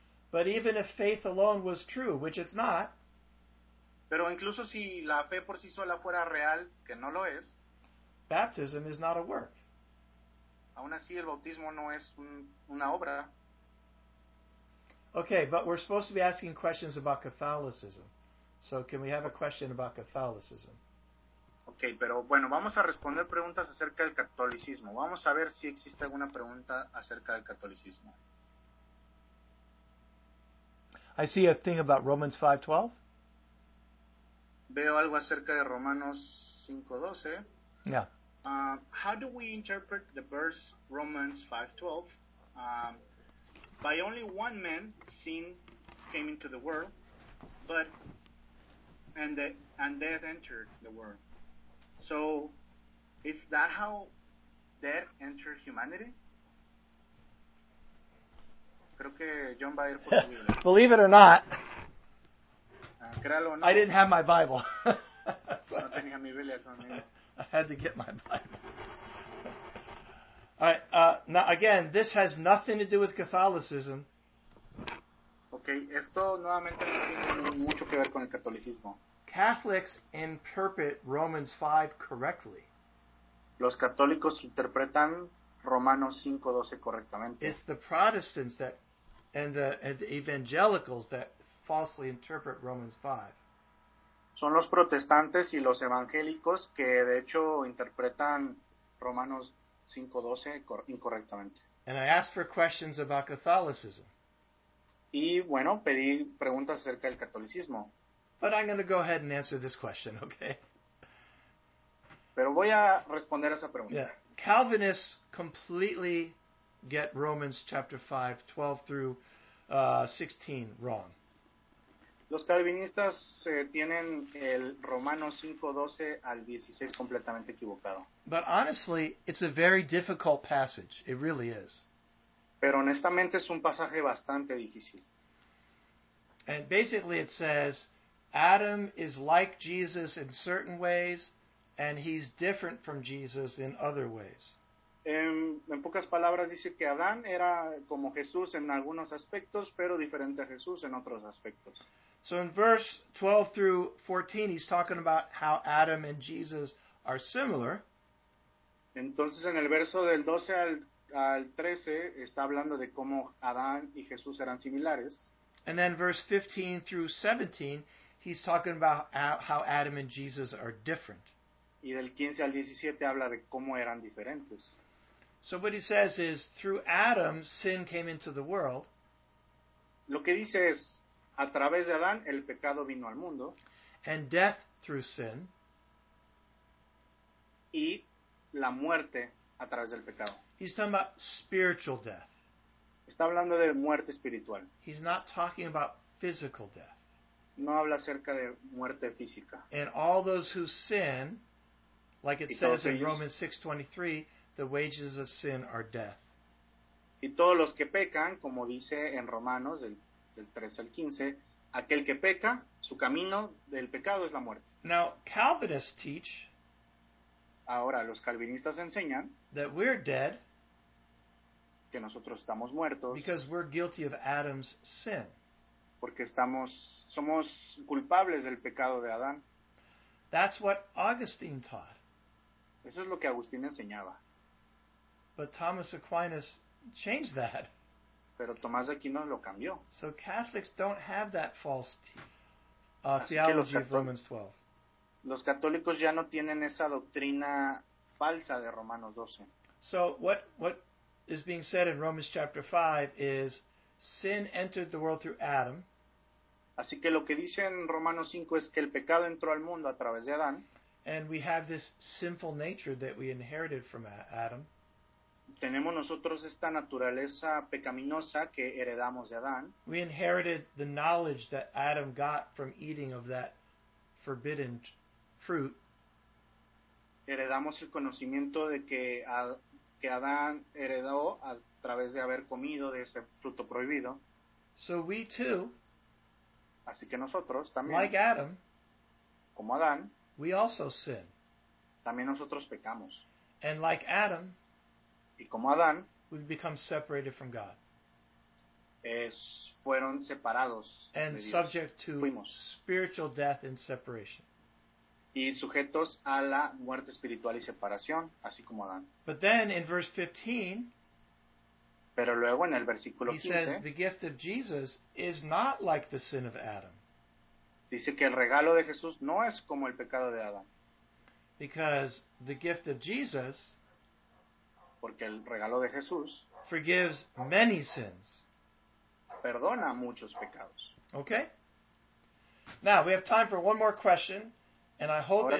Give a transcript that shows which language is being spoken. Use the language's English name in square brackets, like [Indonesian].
[English] But even if faith alone was true, which it's not, [Spanish] pero incluso si la fe por sí sola fuera real, que no lo es, [English] baptism is not a work. [Spanish] Aún así, el bautismo no es una obra. [English] Okay, but we're supposed to be asking questions about Catholicism. So can we have a question about Catholicism? [Spanish] Okay, pero bueno, vamos a responder preguntas acerca del catolicismo. Vamos a ver si existe alguna pregunta acerca del catolicismo. [English] I see a thing about Romans 5:12. [Spanish] Veo algo acerca de Romanos 5:12. [English] Yeah. How do we interpret the verse Romans 5:12? By only one man sin came into the world, and death entered the world. So, is that how death entered humanity? [Spanish] Creo que John va a ir por su Biblia. [English] Believe it or not. [Spanish] Créalo, no. [English] I didn't have my Bible. [Spanish] No tenía mi Biblia conmigo. [English] I had to get my Bible. right. Now, again, this has nothing to do with Catholicism. [Spanish] Okay, esto nuevamente no tiene mucho que ver con el catolicismo. [English] Catholics interpret Romans 5 correctly. [Spanish] Los católicos interpretan Romanos 5:12 correctamente. [English] It's the Protestants that and the evangelicals that falsely interpret Romans 5. [Spanish] Son los protestantes y los evangélicos que de hecho interpretan Romanos 5:12 incorrectamente. [English] And I asked for questions about Catholicism. [Spanish] Y bueno, pedí preguntas acerca del catolicismo. [English] But I'm going to go ahead and answer this question, okay? [Spanish] Pero voy a responder esa pregunta. [English] Yeah. Calvinists completely get Romans chapter 5, 12 through 16 wrong. [Spanish] Los calvinistas tienen el Romanos 5, 12 al 16 completamente equivocado. [English] But honestly, it's a very difficult passage. It really is. [Spanish] Pero honestamente es un pasaje bastante difícil. [English] And basically it says, Adam is like Jesus in certain ways, and he's different from Jesus in other ways. [Spanish] En pocas palabras dice que Adán era como Jesús en algunos aspectos, pero diferente a Jesús en otros aspectos. [English] So in verse 12 through 14, he's talking about how Adam and Jesus are similar. [Spanish] Entonces en el verso del 12 al 13 está hablando de cómo Adán y Jesús eran similares. [English] And then verse 15 through 17, he's talking about how Adam and Jesus are different. [Spanish] Y del 15 al 17 habla de cómo eran diferentes. [English] So what he says is, through Adam, sin came into the world. [Spanish] Lo que dice es, a través de Adán, el pecado vino al mundo. [English] And death through sin. [Spanish] Y la muerte a través del pecado. [English] He's talking about spiritual death. [Spanish] Está hablando de muerte espiritual. [English] He's not talking about physical death. [Spanish] No habla acerca de muerte física. [English] And all those who sin, like it says in Romans 6:23, the wages of sin are death. [Spanish] Y todos los que pecan, como dice en Romanos del 13 al 15, aquel que peca, su camino del pecado es la muerte. [English] Now, Calvinists teach, [Spanish] ahora los calvinistas enseñan, [English] that we're dead, [Spanish] que nosotros estamos muertos, [English] because we're guilty of Adam's sin. [Spanish] Porque somos culpables del pecado de Adán. [English] That's what Augustine taught. [Spanish] Eso es lo que Agustín enseñaba. [English] But Thomas Aquinas changed that. [Spanish] Pero Tomás de Aquino lo cambió. [English] So Catholics don't have that false theology of Romans 12. [Spanish] Los católicos ya no tienen esa doctrina falsa de Romanos 12. [English] So what is being said in Romans chapter 5 is sin entered the world through Adam. [Spanish] Así que lo que dice en Romanos 5 es que el pecado entró al mundo a través de Adán. [English] And we have this sinful nature that we inherited from Adam. [Spanish] Tenemos nosotros esta naturaleza pecaminosa que heredamos de Adán. [English] We inherited the knowledge that Adam got from eating of that forbidden fruit. [Spanish] Heredamos el conocimiento de que Adán heredó a través de haber comido de ese fruto prohibido. [English] So we too, [Spanish] así que nosotros también, [English] like Adam, [Spanish] como Adán, [English] we also sin. [Spanish] También nosotros pecamos. [English] And like Adam, [Spanish] y como Adán, [English] we've become separated from God. [Spanish] Fueron separados [English] and [Spanish] de Dios. [English] Subject to [Spanish] Fuimos. [English] Spiritual death and separation. [Spanish] Y sujetos a la muerte espiritual y separación, así como Adán. [English] But then in verse 15, [Spanish] pero luego en el versículo 15, [English] he says the gift of Jesus is not like the sin of Adam. [Spanish] Dice que el regalo de Jesús no es como el pecado de Adán. [English] Because the gift of Jesus, [Spanish] porque el regalo de Jesús, [English] forgives many sins. [Spanish] Perdona muchos pecados. [English] Okay. Now, we have time for one more question, and I hope